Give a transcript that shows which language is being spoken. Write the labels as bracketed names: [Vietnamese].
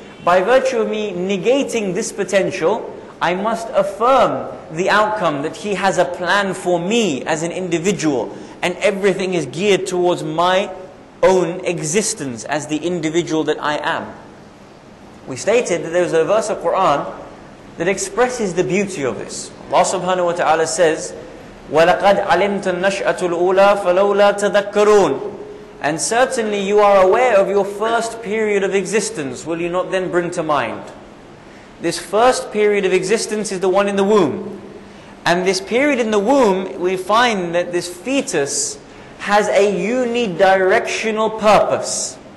[English] By virtue of me negating this potential, I must affirm the outcome that He has a plan for me as an individual, and everything is geared towards my own existence as the individual that I am. We stated that there is a verse of Quran that expresses the beauty of this. Allah subhanahu wa ta'ala says, [Arabic] وَلَقَدْ عَلِمْتَ النَّشْأَةُ الْأُولَى فَلَوْلَا تَذَكَّرُونَ. [English] And certainly you are aware of your first period of existence, will you not then bring to mind? This first period of existence is the one in the womb. And this period in the womb, we find that this fetus has a unidirectional purpose.